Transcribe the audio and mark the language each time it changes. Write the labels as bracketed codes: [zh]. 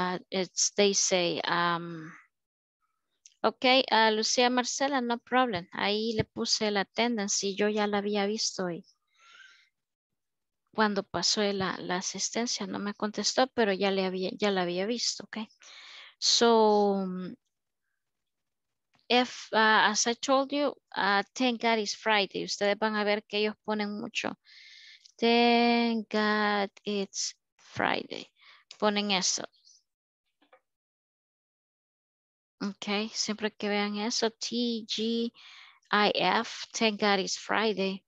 [en] It's, they say, okay, Lucía Marcela, no problem. [es] Ahí le puse la attendance y yo ya la había visto y cuando pasó la asistencia no me contestó, pero ya la había visto, okay? [en] So, if, as I told you, thank God it's Friday. [es] Ustedes van a ver que ellos ponen mucho. [en] Thank God it's Friday. [es] Ponen eso. Okay, siempre que vean eso, T-G-I-F, [en] thank God it's Friday.